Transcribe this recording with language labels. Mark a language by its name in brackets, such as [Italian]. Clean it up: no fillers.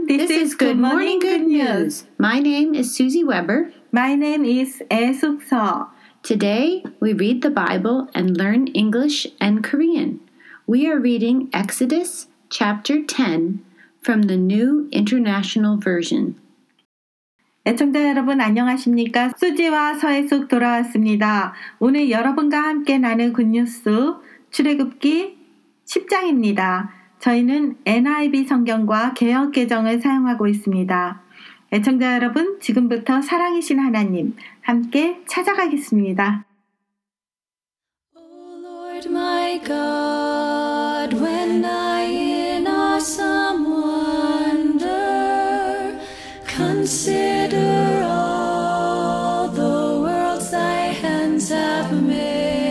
[English] is Good Morning Good News. My name is Susie Weber. My name is Ae Suk Seo. Today, we read the Bible and learn English and Korean. We are reading Exodus chapter 10 from the New International Version. [Korean] 애청자 여러분 안녕하십니까? 수지와 서혜숙 돌아왔습니다. 오늘 여러분과 함께 나눌 굿뉴스 출애굽기 10장입니다. 저희는 NIV 성경과 개역 개정을 사용하고 있습니다. 애청자 여러분, 지금부터 사랑이신 하나님 함께 찾아가겠습니다. [English] O Lord my God, when I in awesome wonder consider all the worlds thy hands have made,